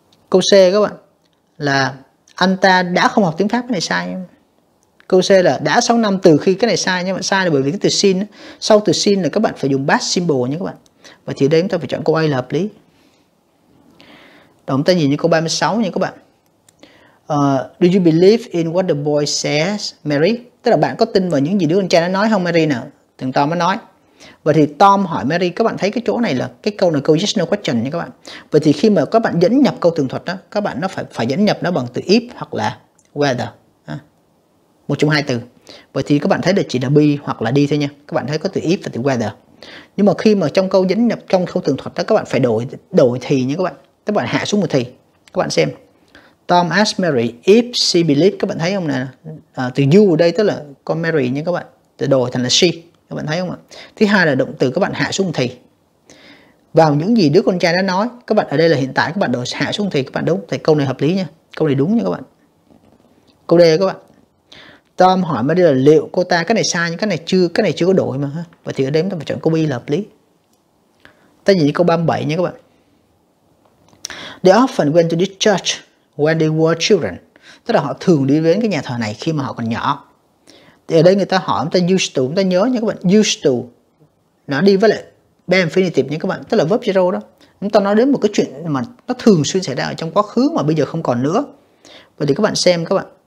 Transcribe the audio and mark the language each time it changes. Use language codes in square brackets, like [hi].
[vi] Câu C các bạn là anh ta đã không học tiếng Pháp, cái này sai. Câu C là đã 6 năm từ khi, cái này sai nha các bạn. Sai là bởi vì cái từ sin, sau từ sin là các bạn phải dùng past simple nha các bạn. Và thì đây chúng ta phải chọn câu A là hợp lý. Đó, chúng ta nhìn như câu 36 nha các bạn. [en] Do you believe in what the boy says, Mary? [vi] Tức là bạn có tin vào những gì đứa con trai nó nói không, Mary nè? Thằng Tom mới nói. Vậy thì Tom hỏi Mary, các bạn thấy cái chỗ này là cái câu này câu yes no question nha các bạn. Vậy thì khi mà các bạn dẫn nhập câu tường thuật đó, các bạn nó phải dẫn nhập nó bằng từ if hoặc là whether. Một trong hai từ. Vậy thì các bạn thấy là chỉ là be hoặc là đi thôi nha. Các bạn thấy có từ if và từ whether. Nhưng mà khi mà trong câu dẫn nhập trong câu tường thuật đó, các bạn phải đổi thì nha các bạn. Các bạn hạ xuống một thì. Các bạn xem. Tom asked Mary if she believed, các bạn thấy không nè, từ you ở đây tức là con Mary nha các bạn, từ đổi thành là she, các bạn thấy không ạ? Thứ hai là động từ, các bạn hạ xuống thì. Vào những gì đứa con trai đã nói, các bạn ở đây là hiện tại các bạn đổi hạ xuống thì, các bạn đúng, thì câu này hợp lý nha, câu này đúng nha các bạn. Câu D các bạn, Tom hỏi Mary là liệu cô ta, cái này sai nhưng cái này chưa có đổi mà. Và thì ở đây chúng ta chọn câu B là hợp lý. Ta nhìn câu 37 nha các bạn. [en] They often went to this church when they were children. [vi] Tức là họ thường đi đến cái nhà thờ này khi mà họ còn nhỏ. Thì ở đây người ta hỏi, người ta used to, người ta nhớ nha các bạn, used to. Nó đi với lại be infinitive nha các bạn, tức là verb zero đó. Chúng ta nói đến một cái chuyện mà nó thường xuyên xảy ra ở trong quá khứ mà bây giờ không còn nữa. Vậy thì các bạn xem các bạn.